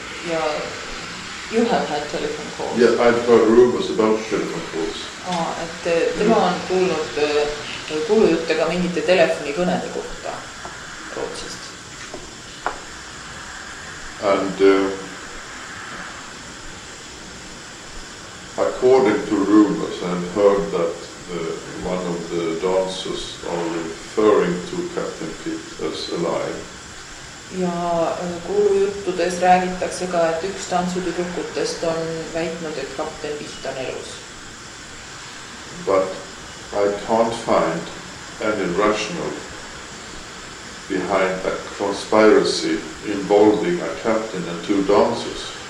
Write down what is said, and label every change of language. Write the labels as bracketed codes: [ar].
[en] Ja, you have had telephone calls. Yeah, I've heard rumors about telephone calls. [et] Et tema on kuulnud kuulujutte ka mingite telefonikõnede kohta Rootsis. [en] And according to rumors, I've heard that one of the dancers are referring to Captain Pitt as alive. [et] Ja kuulujuttudes räägitakse ka, et üks tantsutüdrukutest on väitnud, et Captain Pitt on elus. [en] But I can't find any rational behind a conspiracy involving a captain and two dancers.